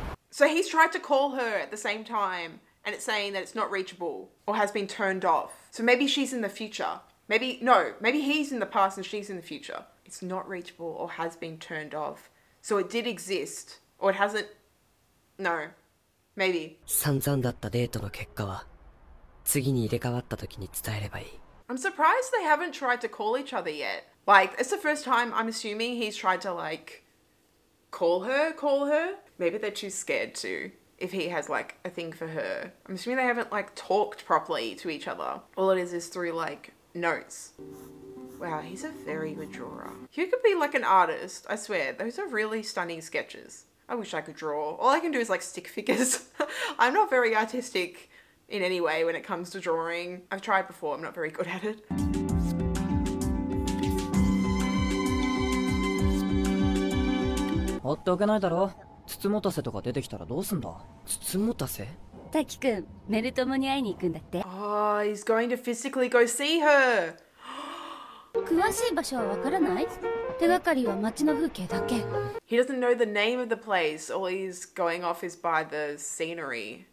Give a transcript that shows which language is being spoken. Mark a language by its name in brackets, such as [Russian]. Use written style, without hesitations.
[English] So he's tried to call her at the same time and it's saying that it's not reachable or has been turned off. So maybe she's in the future. Maybe he's in the past and she's in the future. It's not reachable or has been turned off. So it did exist, Or it hasn't... No. Maybe. [Japanese] 散々だったデートの結果は次に入れ替わった時に伝えればいい。 [English] I'm surprised they haven't tried to call each other yet. Like, it's the first time I'm assuming he's tried to, like, call her. Maybe they're too scared to, if he has, like, a thing for her. I'm assuming they haven't, like, talked properly to each other. All it is through, like, notes. Wow, he's a very good drawer. He could be, like, an artist. I swear, those are really stunning sketches. I wish I could draw. All I can do is, like, stick figures. I'm not very artistic in any way when it comes to drawing. I've tried before, I'm not very good at it. [Japanese] ほっておけないだろ。つつもたせとか出てきたらどうすんだ。つつもたせ？たきくん、ねるともに会いに行くんだって。 [English] Oh, he's going to physically go see her. [Japanese] 詳しい場所はわからない。手がかりは町の風景だけ。 [English] He doesn't know the name of the place. All he's going off is by the scenery.